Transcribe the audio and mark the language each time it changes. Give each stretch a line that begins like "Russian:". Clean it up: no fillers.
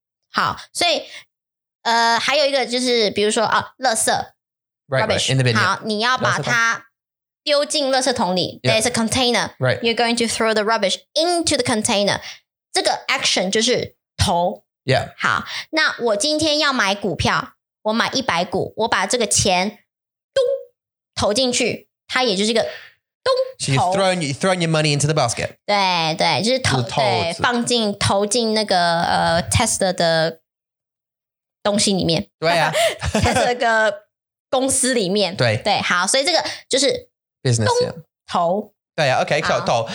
Chinese: 好，所以还有一个就是，比如说垃圾
English: rubbish in the bin，
Chinese: 好，你要把它丢进垃圾桶里。
English: There's a container， right？ You're going to throw the rubbish into the container。
Chinese: 这个 action 就是投。
English: Yeah.
Chinese: 好，那我今天要买股票，我买一百股，我把这个钱咚投进去，它也就是一个咚投。
English: So you throw your money into the basket.
Chinese: 对对，就是投对放进投进那个Tesla 的东西里面。对啊，Tesla 的公司里面。对对，好，所以这个就是
English: business
Chinese: 投。对啊 ，OK， 投投。